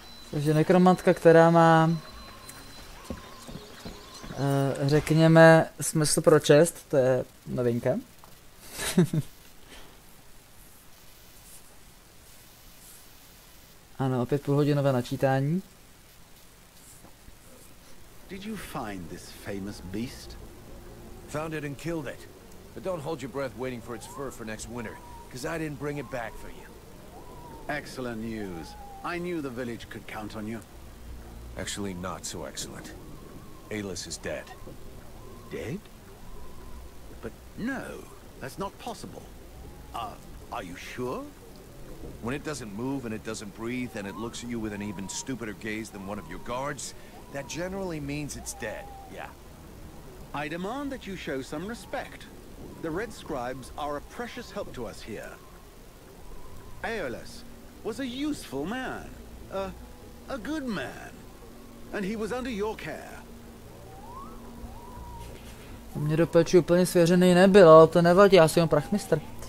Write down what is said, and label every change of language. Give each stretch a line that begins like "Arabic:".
Czech: Takže nekromantka, která má, řekněme, smysl pro čest, to je novinka. Ano, opět půlhodinové načítání.
English: Did you find this famous beast? Found it and killed it. But don't hold your breath waiting for its fur for next winter. Because I didn't bring it back for you. Excellent news. I knew the village could count on you. Actually, not so excellent. Aelis is dead. Dead? But no, that's not possible. Are you sure? When it doesn't move and it doesn't breathe and it looks at you with an even stupider gaze than one of your guards, that generally means it's dead, yeah. I demand that you show some respect. The Red Scribes are a precious help to us here. Aeolus was a useful man, a good man, and he was under your care.
Czech: Mě do peči úplně svěřený nebyl, ale to nevadí, já jsem jen prachmistr.